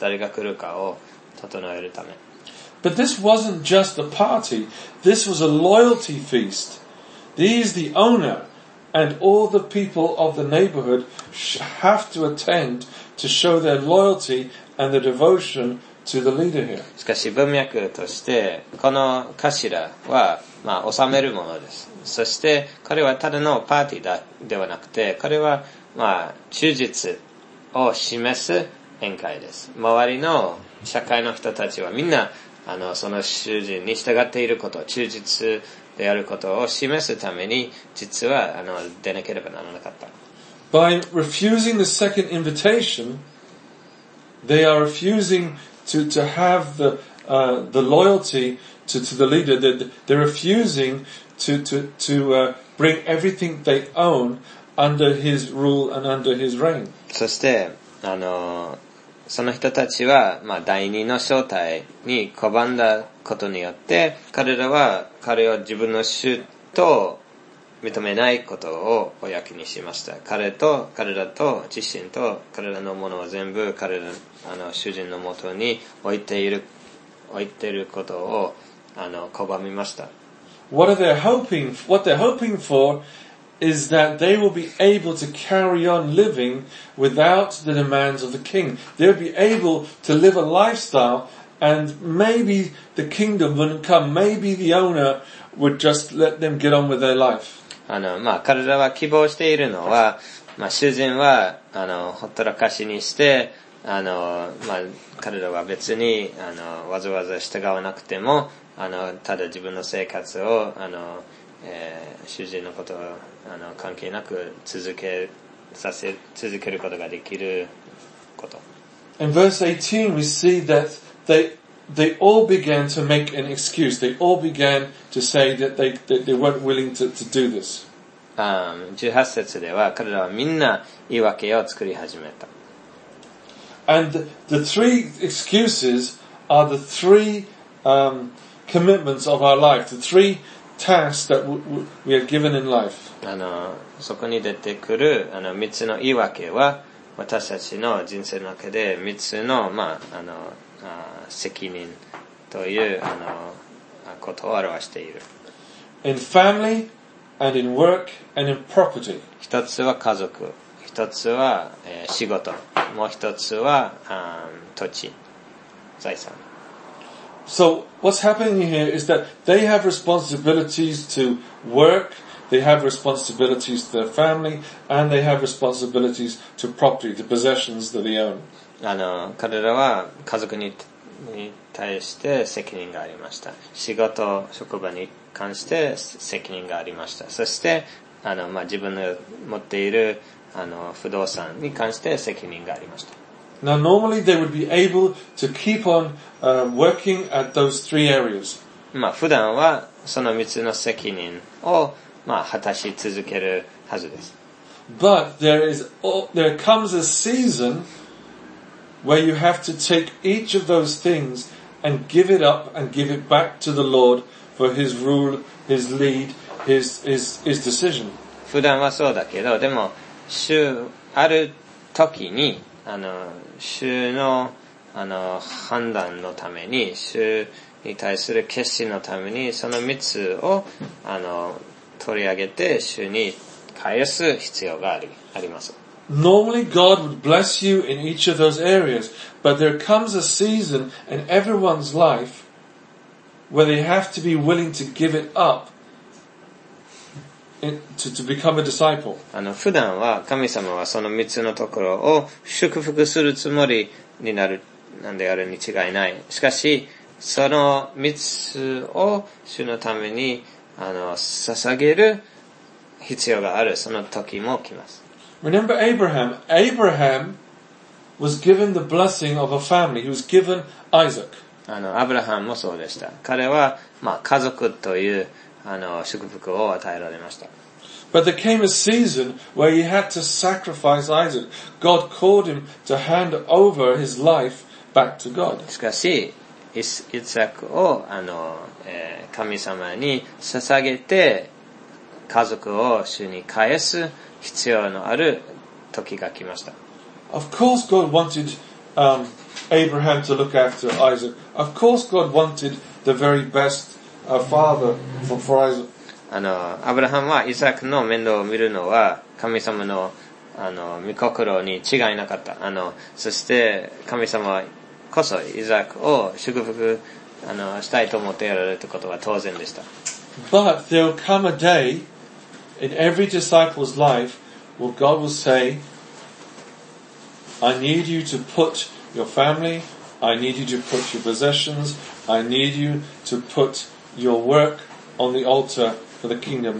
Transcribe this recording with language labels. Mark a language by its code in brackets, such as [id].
[ja] 誰が来るかを、整えるため。 [en] But this wasn't just a party. This was a loyalty feast. These, the owner and all the people of the neighborhood have to attend to show their loyalty and their devotion to the leader here. [ja] しかし文脈としてこの頭はまあ収めるものです。そして彼はただのパーティーだではなくて彼はまあ忠実を示す宴会です。周りの社会の人たちはみんな、あの、その主人に従っていること、忠実であることを示すために、実は、あの、出なければならなかった。 [en] By refusing the second invitation, they are refusing to have the loyalty to the leader. They're refusing to bring everything they own under his rule and under his reign. [ja] そして、あの、その人たちは、まあ、第二の招待に拒んだことによって、彼らは彼を自分の主と認めないことを公にしました。彼と、彼らと、自身と、彼らのものを全部、彼ら、あの、主人のもとに置いていることを、あの、拒みました。 [en] What they're hoping for? Is that they will be able to carry on living without the demands of the king. They'll be able to live a lifestyle and maybe the kingdom wouldn't come. Maybe the owner would just let them get on with their life. [ja] あの、まあ、彼らは希望しているのは、まあ、主人は、あの、ほったらかしにして、あの、まあ、彼らは別に、あの、わざわざ従わなくても、あの、ただ自分の生活を、あの、主人のことを、あの、関係なく続けることができること。 [en] In verse 18, we see that they all began to make an excuse. They all began to say that they weren't willing to do this. [ja] 18節では、彼らはみんな言い訳を作り始めた。 [en] And the three excuses are the three, commitments of our life, the threetasks that we are given in life. [ja] あの、そこに出てくる、あの、三つの言い訳は、私たちの人生の中で三つの、まあ、あの、責任という、あの、ことを表している。 [en] In family, and in work, and in property. [ja] 一つは家族、一つは、仕事、もう一つは、土地、財産。 [en] So, what's happening here is that they have responsibilities to work, they have responsibilities to their family, and they have responsibilities to property, the possessions that they own. [ja] あの、彼らは家族 に対して責任がありました。仕事、職場に関して責任がありました。そして、あの、まあ、自分の持っている、あの、不動産に関して責任がありました。 [en] Now, normally they would be able to keep on, working at those three areas. [ja] まあ普段はその三つの責任をまあ果たし続けるはずです。 [en] But there comes a season where you have to take each of those things and give it up and give it back to the Lord for His rule, His lead, His decision. [ja] 普段はそうだけど、でも週ある時にあの主のあの判断のために主に対する決心のためにその三つをあの取り上げて主に返す必要がります。 [en] Normally God would bless you in each of those areas, but there comes a season in everyone's life where they have to be willing to give it up to become a disciple. [ja] 普段は神様はその3つのところを祝福するつもりになるなんであるに違いない。しかしその3つを主のために捧げる必要がある。その時も来ます。 [en] Remember Abraham. Abraham was given the blessing of a family. He was given Isaac. [ja] アブラハムもそうでした。彼は、まあ、家族という祝福を与えられました。 [en] But there came a season where he had to sacrifice Isaac. God called him to hand over his life back to God. [ja] しかし、イサクを神様に捧げて、家族を主に返す必要のある時が来ました。 [en] Of course God wanted, Abraham to look after Isaac. Of course God wanted the very best, father for Isaac. [ja] アブラハムはイサクの面倒を見るのは神様の御心に違いなかった。そして神様こそイサクを祝福したいと思ってやられるということは当然でした。 [en] But there will come a day in every disciple's life where God will say, I need you to put your family, I need you to put your possessions, I need you to put your work on the altar for the kingdom.